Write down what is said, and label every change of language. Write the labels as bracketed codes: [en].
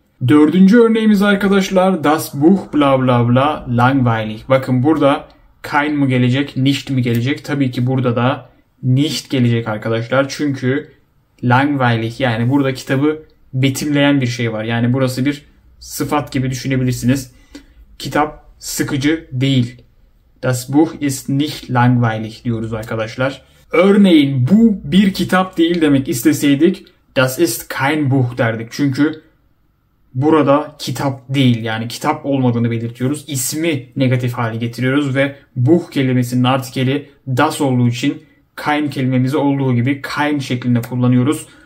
[tr] Dördüncü örneğimiz arkadaşlar [de] das Buch bla bla bla langweilig. [tr] Bakın burada kein mi gelecek, nicht mi gelecek? Tabii ki burada da nicht gelecek arkadaşlar. Çünkü langweilig yani burada kitabı betimleyen bir şey var. Yani burası bir sıfat gibi düşünebilirsiniz. Kitap sıkıcı değil. [de] Das Buch ist nicht langweilig diyoruz arkadaşlar. [tr] Örneğin bu bir kitap değil demek isteseydik [de] das ist kein Buch [tr] derdik. Çünkü burada kitap değil yani kitap olmadığını belirtiyoruz. İsmi negatif hale getiriyoruz ve Buch kelimesinin artikeli das olduğu için kein kelimemizi olduğu gibi kein şeklinde kullanıyoruz.